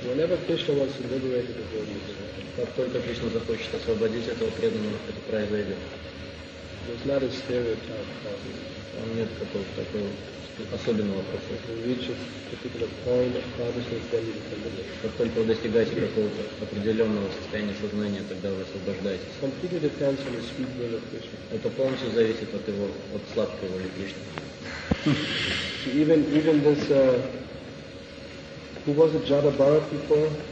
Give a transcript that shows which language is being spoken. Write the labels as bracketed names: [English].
[English] Whenever Krishna wants to liberate the body, [Russian] как только Кришна захочет освободить этого преданного, это произойдет. [English] There's not a stereotype process. [Russian] Там нет какого-то такого особенного процесса. [English] When he reaches a particular point of consciousness, then you can liberate. [Russian] Как только вы достигаете какого-то определенного состояния сознания, тогда вы освобождаетесь. [English] Completely depends on the sweet will of Krishna. [Russian] Это полностью зависит от его, от сладкой воли Кришны. [English] Even this, who was it, Jada Bharat before?